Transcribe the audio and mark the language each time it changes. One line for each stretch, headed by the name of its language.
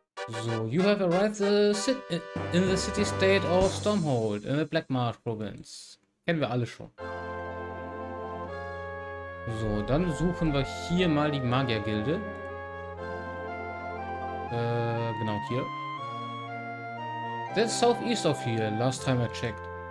English: So, you have arrived in the city state of Stormhold in the Black Marsh Province.
German: Kennen wir alle schon. So, dann suchen wir hier mal die Magiergilde. Genau hier.
English: That's southeast of here, last time I checked.